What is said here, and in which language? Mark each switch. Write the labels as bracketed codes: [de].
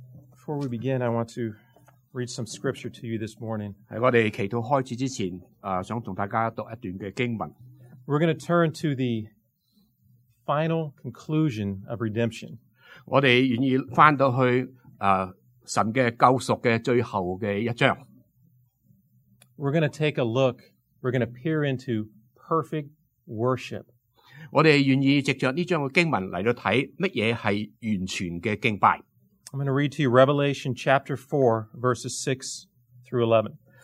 [en] Before we begin, I want to read some scripture to you this morning. [zh] 在我们祈祷开始之前, 想和大家读一段的经文。 [en] We're going to turn to the final conclusion of redemption. [zh] 我们愿意回到去, 神的救赎的最后的一章。 [en] We're going to take a look, we're going to peer into perfect worship. [zh] 我们愿意藉着这张经文来看什么是完全的敬拜。 [en] I'm going to read to you Revelation chapter 4, verses 6 through 11.